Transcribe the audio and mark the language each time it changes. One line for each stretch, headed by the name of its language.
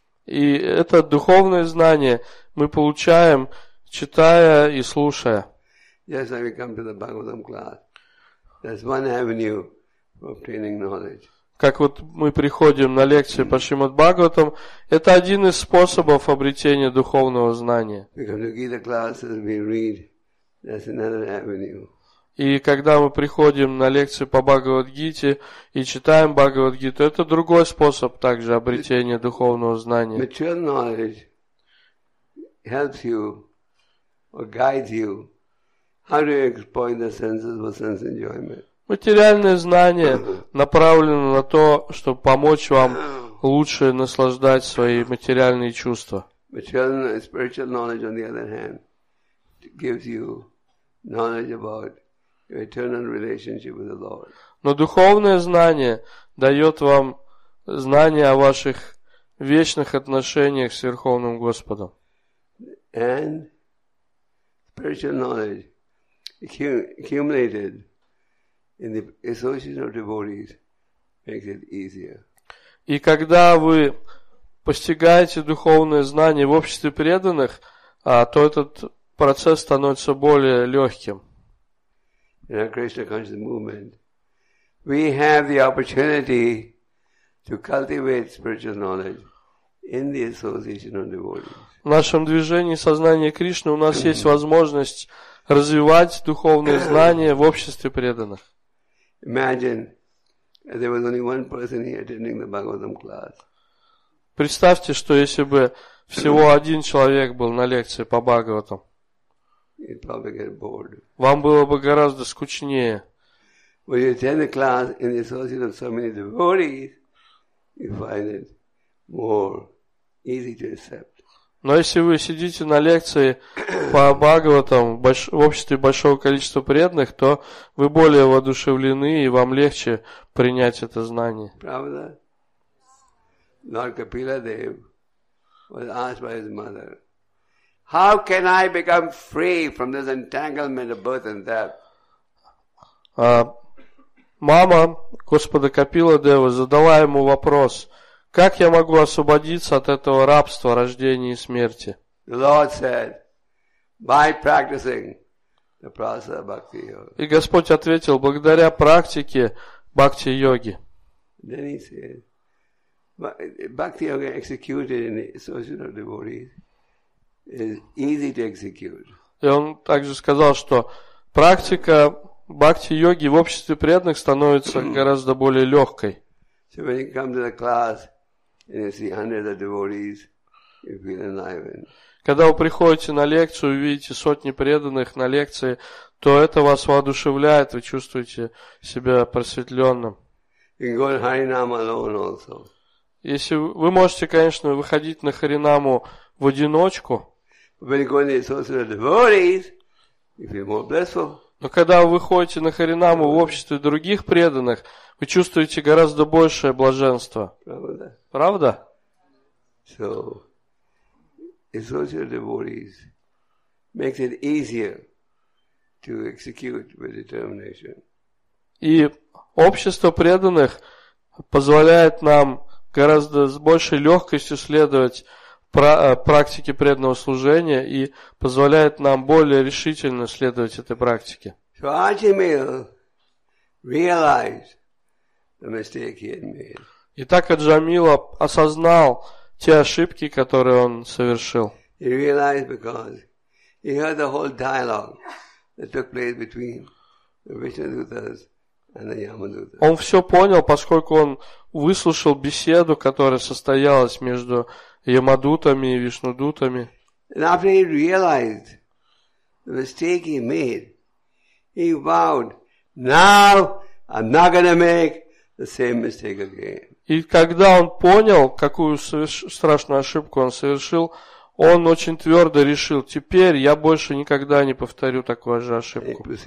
Russian: И это духовное знание мы получаем, читая и слушая.
English: Yes, I will come to the Bhagavatam class. There's one avenue for obtaining knowledge.
Russian: Как вот мы приходим на лекции по Шримад-Бхагаватам, это один из способов обретения духовного знания.
English: Because the Gita classes we read, that's another avenue.
Russian: И когда мы приходим на лекции по Бхагавад-Гите и читаем Бхагавад-Гиту, это другой способ также обретения духовного знания.
English: Material knowledge helps you or guides you. How do you exploit the senses for sense enjoyment?
Russian: Материальное знание направлено на то, чтобы помочь вам лучше наслаждать свои материальные чувства.
English: Spiritual knowledge, on the other hand, gives you knowledge about your eternal relationship with the Lord.
Russian: Но духовное знание дает вам знание о ваших вечных отношениях с Верховным Господом.
English: And spiritual knowledge accumulated in the association of devotees makes it easier.
Russian: И когда вы постигаете духовное знание в обществе преданных, то этот процесс становится более легким.
English: In our Krishna conscious movement, we have the opportunity to cultivate spiritual knowledge in the association of devotees.
Russian: В нашем движении сознания Кришны у нас есть возможность развивать духовные знания в обществе преданных.
English: Imagine there was only one person here attending the Bhagavatam class.
Russian: Представьте, что если бы всего один человек был на лекции по Бхагаватам.
English: You'd probably get bored.
Russian: Вам было бы гораздо скучнее.
English: When you attend the class in the association of so many devotees, you find it more easy to accept.
Russian: Но если вы сидите на лекции по Бхагаватам в обществе большого количества преданных, то вы более воодушевлены и вам легче принять это знание. Правда?
English: Lord Kapila Dev was asked by his mother, how can I become free from this entanglement of birth and death?
Russian: Мама Господа Капила Дева задала ему вопрос: как я могу освободиться от этого рабства рождения и смерти?
English: The Lord said, by practicing the process of bhakti yoga.
Russian: И Господь ответил: благодаря практике бхакти йоги.
English: Then he said, bhakti yoga executed in the association of devotees is easy to execute.
Russian: И он также сказал, что практика бхакти йоги в обществе преданных становится гораздо более легкой.
English: So when you come to the class, and you see hundreds of devotees, you feel enlivened.
Russian: Когда вы приходите на лекцию, увидите сотни преданных на лекции, то это вас воодушевляет, вы чувствуете себя просветленным.
English: You can go to Harinam alone also.
Russian: Если вы можете, конечно, выходить на Харинаму в одиночку.
English: When you go to the association of devotees, you feel more blissful.
Russian: Но когда вы выходите на Харинаму в обществе других преданных, вы чувствуете гораздо большее блаженство. Правда? Правда?
English: So, associated devotees makes it easier to execute with determination.
Russian: И общество преданных позволяет нам гораздо с большей легкостью следовать практике преданного служения и позволяет нам более решительно следовать этой практике.
English: So Ajimil realized the mistake he had made.
Russian: Итак, Аджамила осознал те ошибки, которые он совершил.
English: He realized because he heard the whole dialogue that took place between the Vishnu Dutas
Russian: Он все понял, поскольку он выслушал беседу, которая состоялась между Ямадутами и Вишнудутами. И когда он понял, какую страшную ошибку он совершил, он очень твердо решил, теперь я больше никогда не повторю такую же ошибку.